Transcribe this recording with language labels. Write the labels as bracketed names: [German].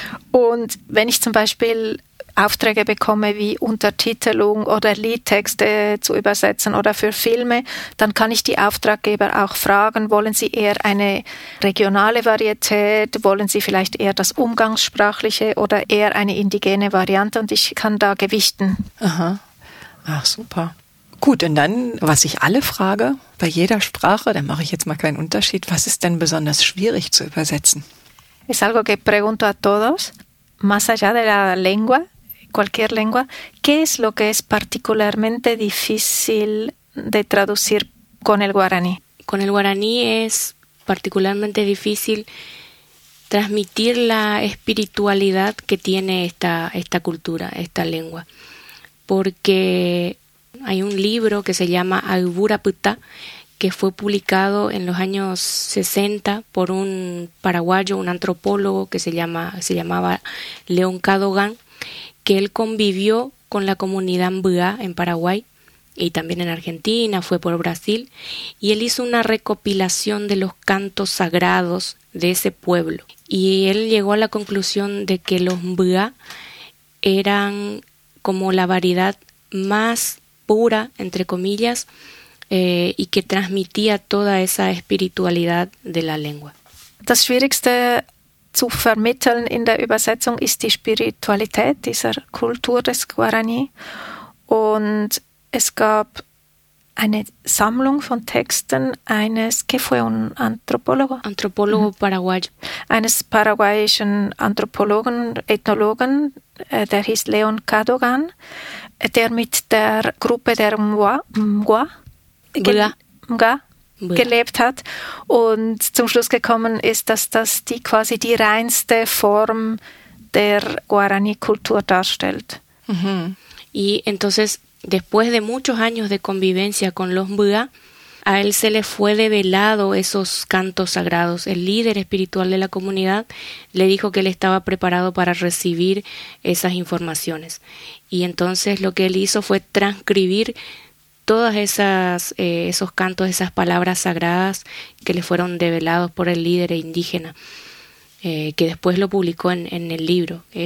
[German] Und wenn ich zum Beispiel Aufträge bekomme wie Untertitelung oder Liedtexte zu übersetzen oder für Filme, dann kann ich die Auftraggeber auch fragen, wollen sie eher eine regionale Varietät, wollen sie vielleicht eher das Umgangssprachliche oder eher eine indigene Variante, und ich kann da gewichten. Aha. Ach, super. Gut, und dann, was ich alle frage, bei jeder Sprache, da mache ich jetzt mal keinen Unterschied, was ist denn besonders schwierig zu übersetzen? [Spanish] Es algo que pregunto a todos, más allá de la lengua, cualquier lengua, ¿qué es lo que es particularmente difícil de traducir con el guaraní? Con el guaraní es particularmente difícil transmitir la espiritualidad que tiene esta cultura, esta lengua, porque hay un libro que se llama Aiburaputa, que fue publicado en los años 60 por un paraguayo, un antropólogo que se llamaba León Cadogan, que él convivió con la comunidad Mbuá en Paraguay y también en Argentina, fue por Brasil, y él hizo una recopilación de los cantos sagrados de ese pueblo. Y él llegó a la conclusión de que los Mbuá eran como la variedad más pura, entre comillas, y que transmitía toda esa espiritualidad de la lengua. [German] Das Schwierigste zu vermitteln in der Übersetzung ist die Spiritualität dieser Kultur des Guarani. Und es gab eine Sammlung von Texten eines, [Spanish] que fue un antropólogo? Antropólogo paraguayo. [German] Eines paraguayischen Anthropologen, Ethnologen, der hieß León Cadogan, der mit der Gruppe der Mga gelebt hat und zum Schluss gekommen ist, dass das quasi die reinste Form der Guarani-Kultur darstellt. Mhm. [Spanish] Y entonces, después de muchos años de convivencia con los Mga, a él se le fue develado esos cantos sagrados. El líder espiritual de la comunidad le dijo que él estaba preparado para recibir esas informaciones. Y entonces lo que él hizo fue transcribir todas esos cantos, esas palabras sagradas que le fueron develados por el líder indígena, que después lo publicó en el libro.